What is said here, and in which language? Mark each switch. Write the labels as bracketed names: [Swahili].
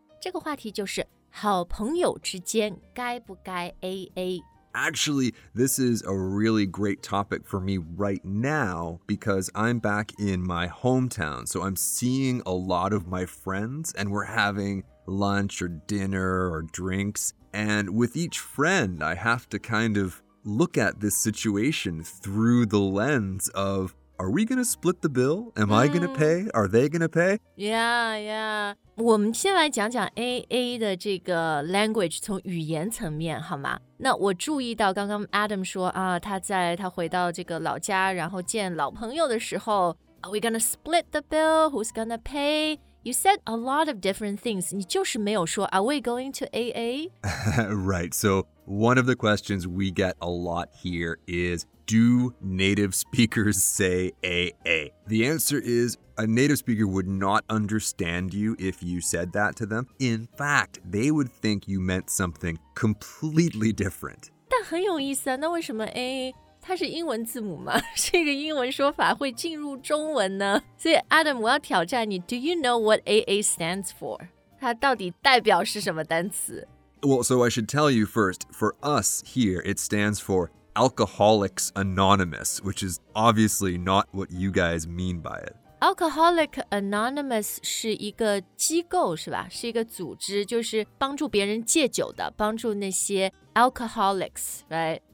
[Chinese] 这个话题就是好朋友之间该不该 AA。 [English] Actually, this is a really great topic for me right now because I'm back in my hometown, so I'm seeing a lot of my friends and we're having lunch or dinner or drinks. And with each friend, I have to kind of look at this situation through the lens of, are we going to split the bill? Am I going to pay? Are they going to pay? [Chinese] Yeah. 我们先来讲讲 AA 的这个 language 从语言层面好吗？那我注意到刚刚 Adam 说啊，他回到这个老家然后见老朋友的时候 [English] Are we gonna split the bill? Who's gonna pay? You said a lot of different things. [Chinese] 你就是没有说 [English] Are we going to AA? Right, so one of the questions we get a lot here is Do native speakers say AA? The answer is a native speaker would not understand you if you said that to them. In fact, they would think you meant something completely different. [Chinese] 但很有意思啊，那为什么 AA 它是英文字母吗？这个英文说法会进入中文呢？所以 Adam, 我要挑战你。 [English] Do you know what AA stands for? [Chinese] 它到底代表是什么单词？ [English] Well, so I should tell you first, for us here, it stands for Alcoholics Anonymous, which is obviously not what you guys mean by it. [Chinese] Alcoholic Anonymous 是一个机构是吧？是一个组织，就是帮助别人戒酒的，帮助那些 [English] alcoholics, right?